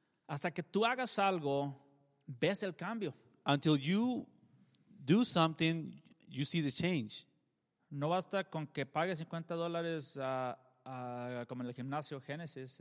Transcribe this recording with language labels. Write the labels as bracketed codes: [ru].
[es] Hasta que tú hagas algo, ves el cambio. [en] Until you do something, you see the change. [es] No basta con que pagues $50 como en el gimnasio Genesis.